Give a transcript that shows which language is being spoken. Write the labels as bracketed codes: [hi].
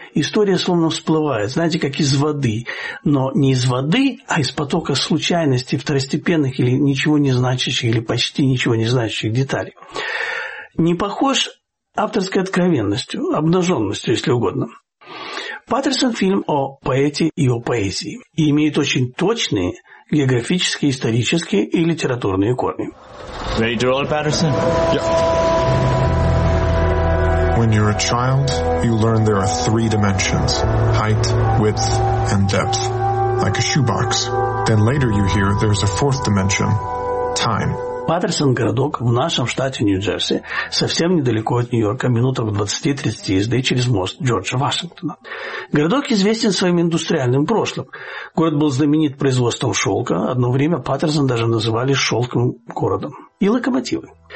[ru] История словно всплывает, знаете, как из воды, но не из воды, а из потока случайностей, второстепенных или ничего не значащих, или почти ничего не значащих деталей. Не похож авторской откровенностью, обнаженностью, если угодно. «Паттерсон» – фильм о поэте и о поэзии, и имеет очень точные географические, исторические и литературные корни. [en] Ready to roll, Паттерсон? Yeah. When you're a child, you learn there are three dimensions – height, width, and depth, like a shoebox. Then later you hear there's a fourth dimension – time. [ru] Паттерсон – городок в нашем штате Нью-Джерси, совсем недалеко от Нью-Йорка, минутах 20-30 езды через мост Джорджа Вашингтона. Городок известен своим индустриальным прошлым. Город был знаменит производством шелка, одно время Паттерсон даже называли «шелковым городом». И локомотивы.